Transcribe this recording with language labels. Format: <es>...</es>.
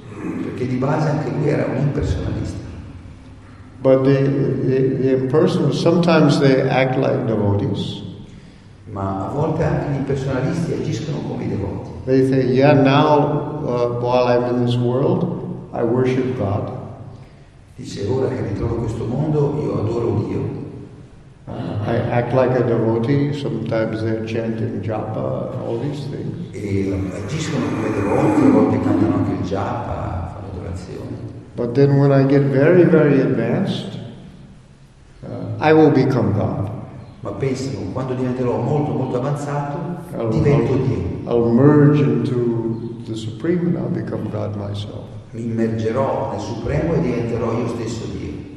<it>Perché di base anche lui era un impersonalista.</it> <en>But the impersonalists sometimes they act like devotees.</en> <it>Ma a volte anche gli impersonalisti agiscono come i devoti.</it> <en>They say, yeah, now while I'm in this world, I worship God.</en> <it>Dice, ora che mi trovo in questo mondo, io adoro Dio.</it> <en>I act like a devotee, sometimes they're chanting japa, all these things.</en> <it>E agiscono come devoti, a volte cantano anche il japa, fanno adorazione.</it> <en>But then when I get very, very advanced, I will become God.</en> <it>Ma pensano, quando diventerò molto, molto avanzato, divento Dio.</it> <en>I'll merge into the Supreme and I'll become God myself.</en> <it>Mi immergerò nel Supremo e diventerò io stesso Dio.</it>